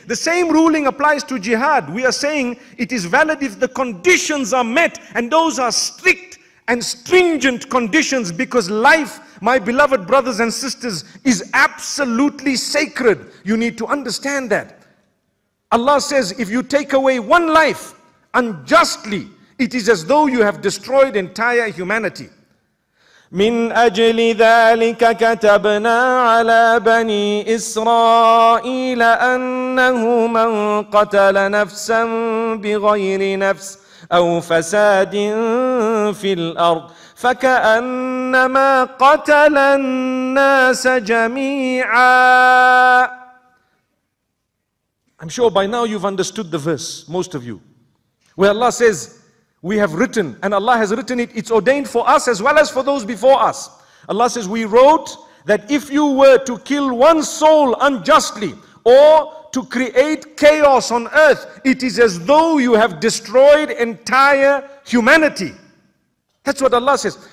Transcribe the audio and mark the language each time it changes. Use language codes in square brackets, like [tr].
[en] The same ruling applies to jihad. We are saying it is valid if the conditions are met, and those are strict and stringent conditions, because life, my beloved brothers and sisters, is absolutely sacred. You need to understand that. Allah says, if you take away one life unjustly, it is as though you have destroyed entire humanity. [ar] من أجل ذلك كتبنا على بني إسرائيل أنه من قتل نفسا بغير نفس أو فساد في الأرض فكأنما قتل الناس جميعا. [en] I'm sure by now you've understood the verse, most of you, where Allah says, we have written, and Allah has written it, it's ordained for us as well as for those before us. Allah says, we wrote that if you were to kill one soul unjustly or to create chaos on earth, it is as though you have destroyed entire humanity. That's what Allah says.